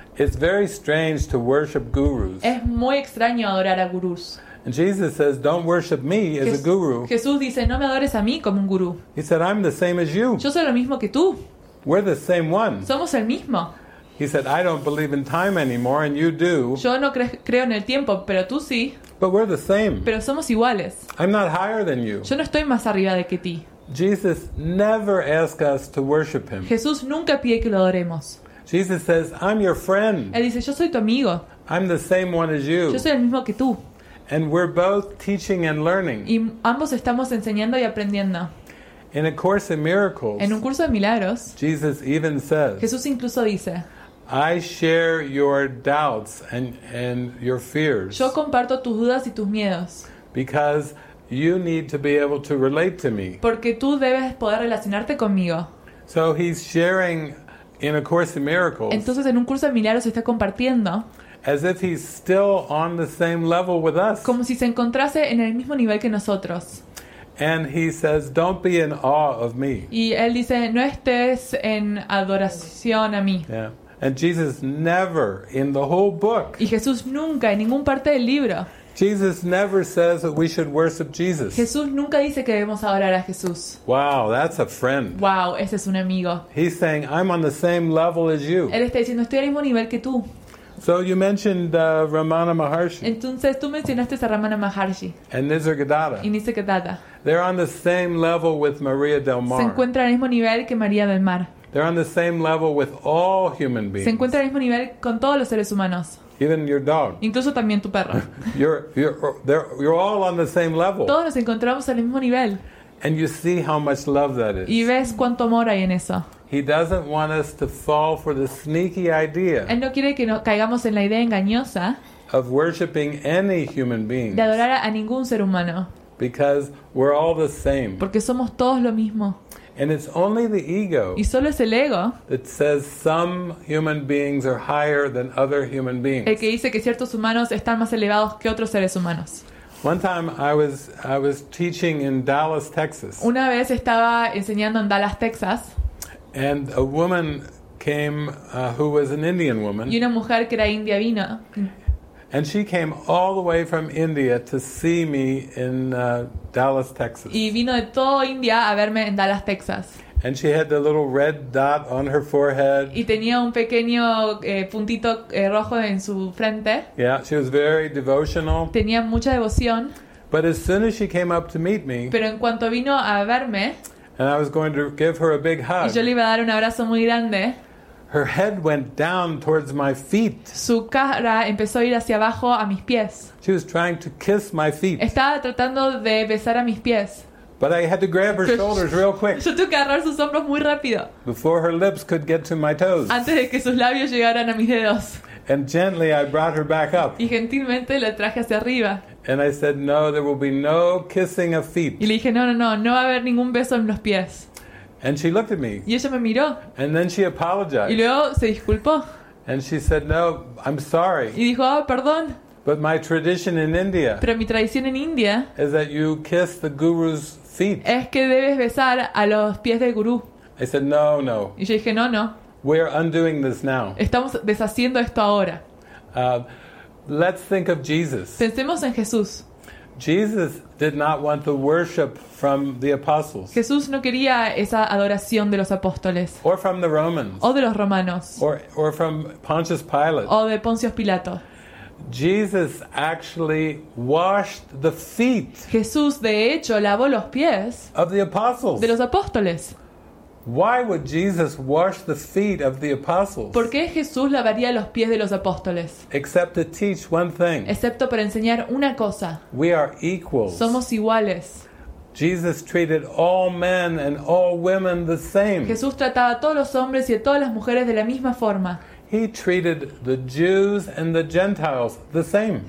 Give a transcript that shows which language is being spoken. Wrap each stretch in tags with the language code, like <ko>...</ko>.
<en>It's very strange to worship gurus.</en> <es>Es muy extraño adorar a gurús.</es> <en>And Jesus says, "Don't worship me as a guru."</en> <es>Jesús dice, "No me adores a mí como un gurú."</es> <en>He said, "I'm the same as you."</en> <es>Yo soy lo mismo que tú.</es> <en>We're the same one.</en> <es>Somos el mismo.</es> <en>He said, "I don't believe in time anymore, and you do."</en> <es>Yo no creo en el tiempo, pero tú sí.</es> <en>But we're the same.</en> <es>Pero somos iguales.</es> <en>I'm not higher than you.</en> <es>Yo no estoy más arriba de que ti.</es> <en>Jesus never asks us to worship him.</en> <es>Jesús nunca pide que lo adoremos.</es> <en>Jesus says, "I'm your friend."</en> <es>Él dice, "Yo soy tu amigo."</es> <en>I'm the same one as you.</en> <es>Yo soy el mismo que tú.</es> <en>And we're both teaching and learning.</en> <es>Y ambos estamos enseñando y aprendiendo.</es> <en>In a course in miracles.</en> <es>En un curso de milagros.</es> <en>Jesus even says.</en> <es>Jesús incluso dice.</es> <en>I share your doubts and your fears.</en> <es>Yo comparto tus dudas y tus miedos.</es> <en>Because you need to be able to relate to me.</en> <es>Porque tú debes poder relacionarte conmigo.</es> <en>So he's sharing in a course in miracles.</en> <es>Entonces en un curso de milagros está compartiendo.</es> <en>As if he's still on the same level with us.</en> <es>Como si se encontrase en el mismo nivel que nosotros.</es> <en>And he says, "Don't be in awe of me."</en> <es>Y él dice, "No estés en adoración a mí."</es> <en>Yeah. And Jesus never in the whole book.</en> <es>Y Jesús nunca en ninguna parte del libro.</es> <en>Jesus never says that we should worship Jesus.</en> <es>Jesús nunca dice que debemos adorar a Jesús.</es> <en>Wow, that's a friend.</en> <es>Wow, ese es un amigo.</es> <en>He's saying, "I'm on the same level as you."</en> <es>Él está diciendo, "Estoy al mismo nivel que tú."</es> <en>So you mentioned Ramana Maharshi.</en> <es>Entonces tú mencionaste a Ramana Maharshi.</es> <en>And Nisargadatta.</en> <es>Y Nisargadatta.</es> <en>They're on the same level with Maria del Mar.</en> <es>Se encuentran al mismo nivel que María del Mar.</es> <en>They're on the same level with all human beings.</en> <es>Se encuentran al mismo nivel con todos los seres humanos.</es> <en>Even your dog.</en> <es>Incluso también tu perro.</es> <en>you're all on the same level.</en> <es>Todos nos encontramos al mismo nivel.</es> <en>And you see how much love that is.</en> <es>Y ves cuánto amor hay en eso.</es> <en>He doesn't want us to fall for the sneaky idea.</en> <es>Él no quiere que nos caigamos en la idea engañosa.</es> <en>Of worshiping any human being.</en> <es>De adorar a ningún ser humano.</es> <en>Because we're all the same.</en> <es>Porque somos todos lo mismo.</es> <en>And it's only the ego.</en> <es>Y solo es el ego.</es> <en>That says some human beings are higher than other human beings.</en> <es>El que dice que ciertos humanos están más elevados que otros seres humanos.</es> <en>One time I was teaching in Dallas, Texas.</en> <es>Una vez estaba enseñando en Dallas, Texas.</es> <en>And a woman came who was an Indian woman.</en> <es>Y una mujer que era india vino.</es> <en>And she came all the way from India to see me in Dallas, Texas.</en> <es>Y vino de todo India a verme en Dallas, Texas.</es> <en>And she had the little red dot on her forehead.</en> <es>Y tenía un pequeño puntito rojo en su frente.</es> <en>Yeah, she was very devotional.</en> <es>Tenía mucha devoción.</es> <en>But as soon as she came up to meet me.</en> <es>Pero en cuanto vino a verme.</es> <en>And I was going to give her a big hug.</en> <es>Y yo le iba a dar un abrazo muy grande.</es> <en>Her head went down towards my feet.</en> <es>Su cara empezó a ir hacia abajo a mis pies.</es> <en>She was trying to kiss my feet.</en> <es>Estaba tratando de besar a mis pies.</es> <en>But I had to grab her shoulders real quick.</en> <es>Yo tuve que agarrar sus hombros muy rápido.</es> <en>Before her lips could get to my toes.</en> <es>Antes de que sus labios llegaran a mis dedos.</es> <en>And gently I brought her back up.</en> <es>Y gentilmente la traje hacia arriba.</es> <en>And I said, "No, there will be no kissing of feet."</en> <es>Y le dije, no va a haber ningún beso en los pies.</es> <en>And she looked at me.</en> <es>Y ella me miró.</es> <en>And then she apologized.</en> <es>Y luego se disculpó.</es> <en>And she said, "No, I'm sorry."</en> <es>Y dijo, perdón.</es> <en>But my tradition in India.</en> <es>Pero mi tradición en India.</es> <en>Is that you kiss the guru's feet.</en> <es>Es que debes besar a los pies del gurú.</es> <en>I said, no.</en> <es>Y yo dije, no.</es> <en>We're undoing this now.</en> <es>Estamos deshaciendo esto ahora.</es> <en>Let's think of Jesus.</en> <es>Pensemos en Jesús.</es> <en>Jesus did not want the worship from the apostles.</en> <es>Jesús no quería esa adoración de los apóstoles.</es> <en>Or from the Romans.</en> <es>O de los romanos.</es> <en>Or from Pontius Pilate.</en> <es>O de Poncio Pilato.</es> <en>Jesus actually washed the feet.</en> <es>Jesús de hecho lavó los pies.</es> <en>Of the apostles.</en> <es>De los apóstoles.</es> <en>Why would Jesus wash the feet of the apostles?</en> <es>¿Por qué Jesús lavaría los pies de los apóstoles?</es> <en>Except to teach one thing.</en> <es>Excepto para enseñar una cosa.</es> <en>We are equals.</en> <es>Somos iguales.</es> <en>Jesus treated all men and all women the same.</en> <es>Jesús trataba a todos los hombres y a todas las mujeres de la misma forma.</es> <en>He treated the Jews and the Gentiles the same.</en>